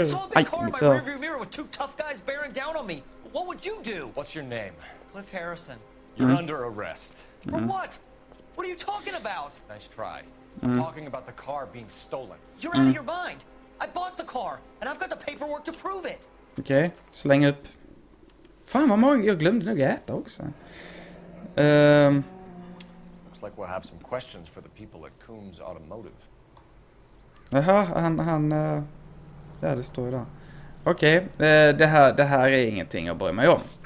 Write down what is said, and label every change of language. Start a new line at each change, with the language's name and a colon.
English: I saw a big car in my rearview mirror with two tough guys bearing down on me. What would you do? What's your name? Cliff Harrison. You're under arrest. For what? What are you talking about? Nice try. I'm talking about the car being stolen. You're out of your mind. I bought the car, and I've got the paperwork to prove it.
Swedish: Okay, släng upp. Fan vad många, jag glömde nog äta också.
English: Looks like we'll have some questions for the people at Coombs Automotive.
Swedish: Jaha, det står ju där. Okej, det här är ingenting att bry mig om.